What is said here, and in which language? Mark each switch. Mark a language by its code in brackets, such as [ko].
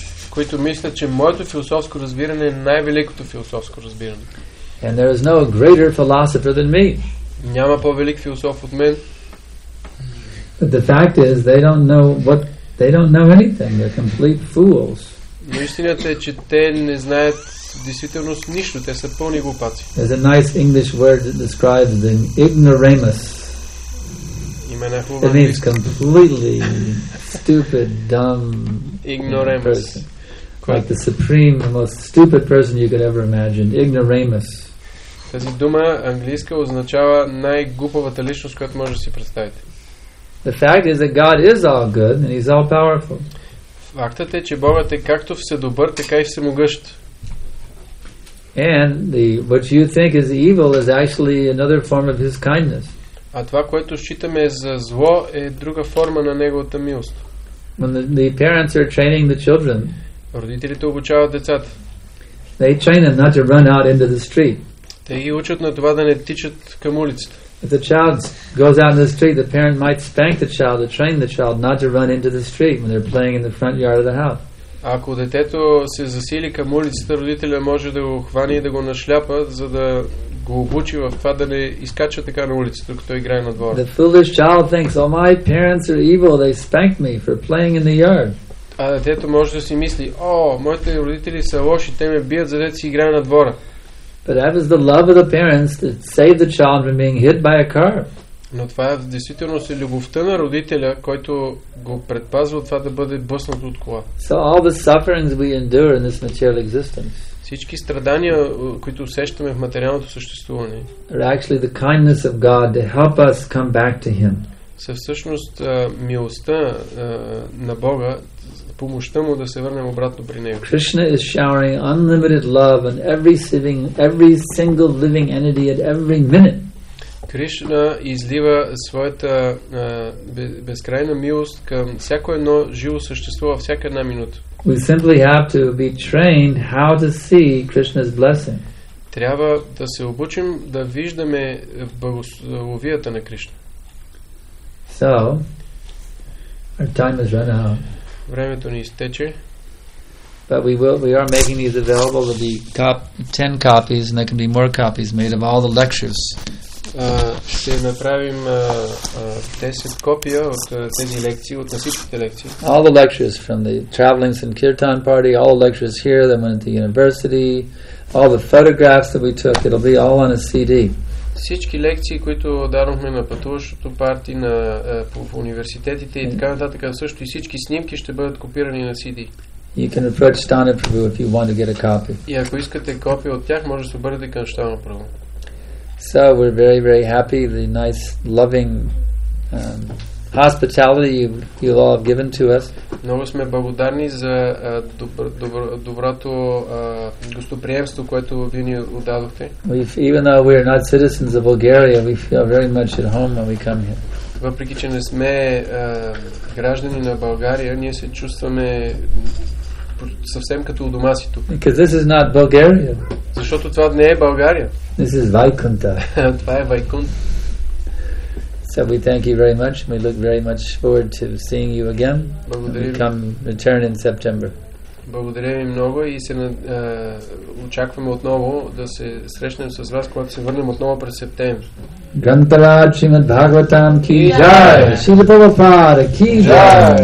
[bg] Които мисля, че моето философско разбиране е най-великото философско разбиране. [en] And there is no greater philosopher than me. [bg] Няма по-велик философ от мен. [en] But the fact is they don't know anything. They're complete fools. [bg] Но истината е, че те не знаят в действителност нищо. Те са пълни глупаци. [en] There's a nice English word that describes them: ignoramus. It means completely stupid, dumb ignoramus. Like the supreme, the most stupid person you could ever imagine. Ignoramus. [bg] Тази дума английска означава най-глупавата личност, която може да си представите. [en] The fact is that God is all good and he's all powerful. [bg] Фактът е, че Богът е както вседобър, така и всемогъщ. [en] And what you think is evil is actually another form of his kindness. [bg] А това, което считаме за зло, е друга форма на неговата милост. [en] When the parents are training the children, [bg] родителите обучават децата. [en] They train them not to run out into the street. [bg] Те ги учат на това да не тичат към улицата. [en] If the child goes out in the street, the parent might spank the child to train the child not to run into the street when they're playing in the front yard of the house. [bg] Ако детето се засили към улицата, родителя може да го хване и да го нашляпа, за да го обучи в това да не изкача така на улицата, докато играе на двора. [en] The foolish child thinks, "Oh, my parents are evil. They spanked me for playing in the yard." [bg] А детето може да си мисли, "О, моите родители са лоши, те ме бият за деца си играе на двора." [en] But that is the love of the parents that saved the child from being hit by a car. [bg] Но това е в действителност и любовта на родителя, който го предпазва от това да бъде блъснат от кола. [en] So all the sufferings we endure in this material existence. [bg] Всички страдания, които усещаме в материалното съществуване, [en] are actually the kindness of God to help us come back to Him. [bg] Са всъщност милостта на Бога, помощта му да се върнем обратно при него. [en] Krishna is showering unlimited love on every single living entity at every minute. [bg] Кришна излива своята безкрайна милост към всяко едно живо същество във всяка една минута. [en] We simply have to be trained how to see Krishna's blessing. [bg] Трябва да се обучим да виждаме благословията на Кришна. [en] So, our time has run out. [bg] Времето ни изтече. [en] But we are making these available to be 10 copies, and there can be more copies made of all the lectures. [bg] Ще направим 10 копия от тези лекции, от всичките лекции. [en] All the lectures from the traveling Sankirtan party, all the lectures here, then went at the university, all the photographs that we took, it'll be all on a CD. [bg] Всички лекции, които дарахме на пътуващото парти, на в университетите и така нататък, също и всички снимки ще бъдат копирани на CD. [en] You can approach Stana Prabhu if you want to get a copy. [bg] И ако искате копия от тях, може да се обърнете към Stana Prabhu. [en] So we're very, very happy. The nice, loving hospitality you all have given to us. [bg] Много сме благодарни за доброто гостоприемство, което ви ни отдадохте. [en] Even though we are not citizens of Bulgaria, we feel very much at home when we come here. [bg] Въпреки че не сме граждани на България, ние се чувстваме съвсем като у дома си тук. [en] Because this is not Bulgaria. [bg] Защото това не е България. [en] This is Vaikuntha. [bg] Това е Vaikuntha. [en] So we thank you very much. We look very much forward to seeing you again. [bg] Благодаря. [en] And return in September. [bg] Благодаря ви много и се очакваме отново да се срещнем с вас, когато се върнем отново през септември. Гантара Чимат Бхагаватам Ки Джай! Шрила Прабхупада Ки Джай!